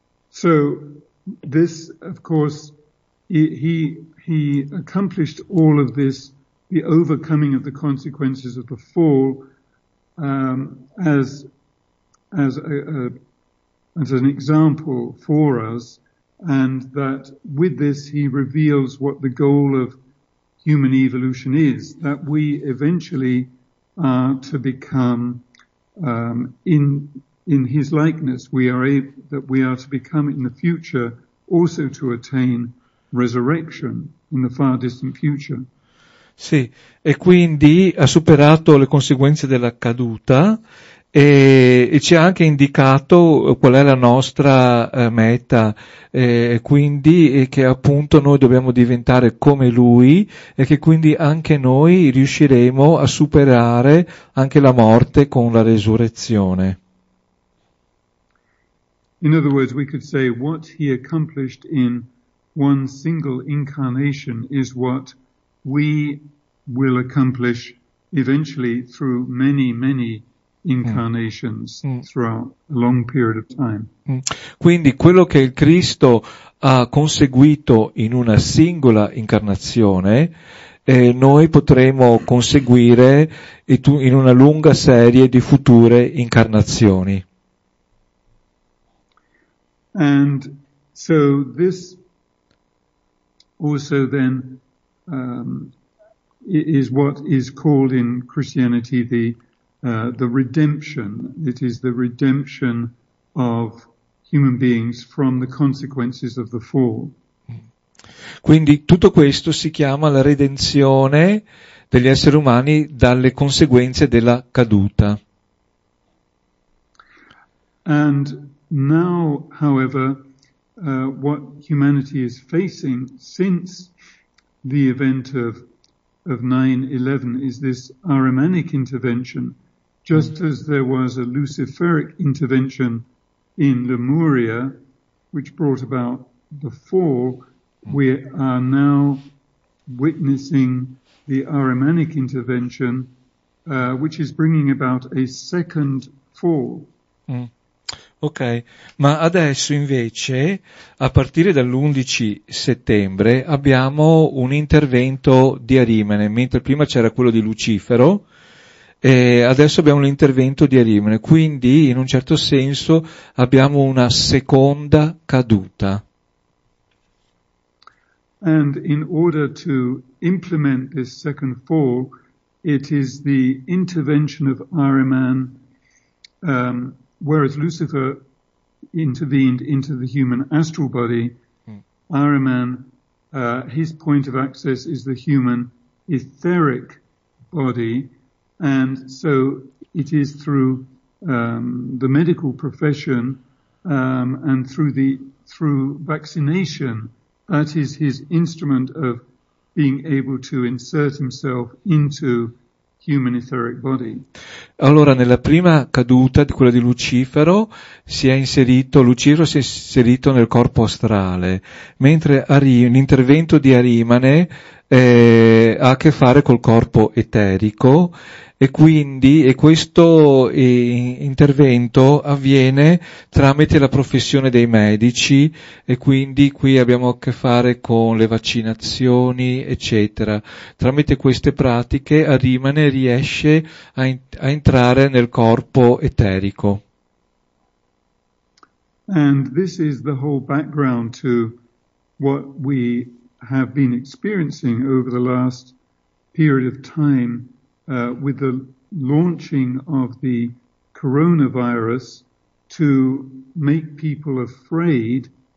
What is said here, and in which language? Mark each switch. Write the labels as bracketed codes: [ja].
[en] So this, of course, he accomplished all of this, the overcoming of the consequences of the fall, as an example for us, and that with this he reveals what the goal of human evolution is, that we eventually are to become in his likeness. We are to become in the future also to attain resurrection in the far distant future. [it] Sì, e quindi ha superato le conseguenze della caduta e ci ha anche indicato qual è la nostra meta, quindi che appunto noi dobbiamo diventare come lui e che quindi anche noi riusciremo a superare anche la morte con la resurrezione. [en] In other words, we could say what he accomplished in one single incarnation is what we will accomplish eventually through many, many incarnations throughout a long period of time. [it] Quindi quello che il Cristo ha conseguito in una singola incarnazione, noi potremo conseguire in una lunga serie di future incarnazioni. [en] And so this also then is what is called in Christianity the redemption. It is the redemption of human beings from the consequences of the fall. [it] Quindi tutto questo si chiama la redenzione degli esseri umani dalle conseguenze della caduta. [en] And now, however, what humanity is facing since the event of 9/11 is this Ahrimanic intervention. Just as there was a Luciferic intervention in Lemuria, which brought about the fall, we are now witnessing the Ahrimanic intervention, which is bringing about a second fall. [it] Ok, ma adesso invece, a partire dall'11 settembre, abbiamo un intervento di Arimene, mentre prima c'era quello di Lucifero, E adesso abbiamo l'intervento di Arimene, quindi in un certo senso abbiamo una seconda caduta. [en] And in order to implement this second fall, it is the intervention of Ahriman, whereas Lucifer intervened into the human astral body, Ahriman, his point of access is the human etheric body, and so it is through the medical profession and through vaccination that is his instrument of being able to insert himself into human etheric body. [it] Allora, nella prima caduta, di quella di Lucifero, Lucifero si è inserito nel corpo astrale, mentre l'intervento di Arimane ha a che fare col corpo eterico, e questo intervento avviene tramite la professione dei medici, e quindi qui abbiamo a che fare con le vaccinazioni, eccetera. Tramite queste pratiche Arimane riesce a entrare nel corpo eterico. [en] And this is the whole background to what we have been experiencing over the last period of time with the launching of the coronavirus to make people afraid.